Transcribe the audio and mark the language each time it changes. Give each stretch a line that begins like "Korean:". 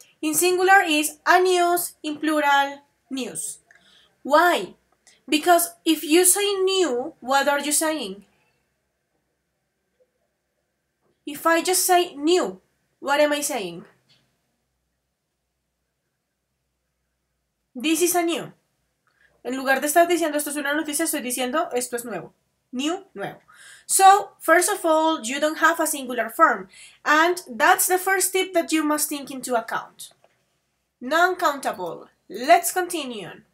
English: In singular is a news, in plural, news. Why? Because if you say new, what are you saying? If I just say new, what am I saying? This is a new.
Spanish: En lugar de estar diciendo esto es una noticia, estoy diciendo esto es nuevo. New, nuevo.
English: So, first of all, you don't have a singular form. And that's the first tip that you must take into account. Non-countable. Let's continue.